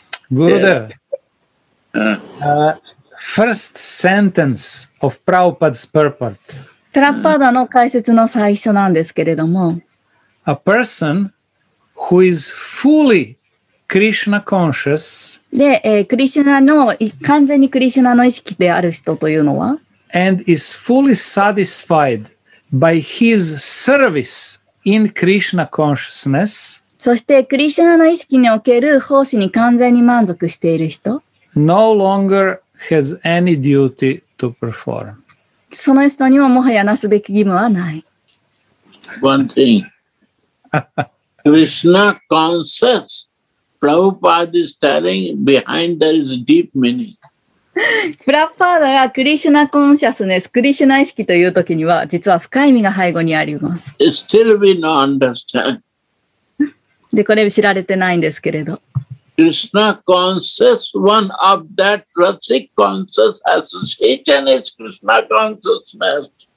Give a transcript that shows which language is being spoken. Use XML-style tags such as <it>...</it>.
<en>Gurudev, first sentence of Prabhupada's purport.</en> <ja>Prabhupada の解説の最初なんですけれども、</ja> <en>A person who is fully Krishna conscious.</en> <ja>で、クリシュナの完全にクリシュナの意識である人というのは、</ja> <en>and is fully satisfied by his service in Krishna consciousness.</en> <ja>そしてクリシュナの意識における奉仕に完全に満足している人、</ja> <en>no longer has any duty to perform.</en> <ja>その人にももはやなすべき義務はない。</ja> <en>One thing. Krishna conscious. Prabhupada is telling behind there is a deep meaning.</en> <ja>プラッパーダがクリシュナコンシャスネス、クリシュナ意識というときには実は深い意味が背後にあります。</ja> <en>Still we don't understand.</en> <ja>でこれ知られてないんですけれど。</ja> <en>Krishna conscious, one of that rasic conscious association is Krishna consciousness.</en>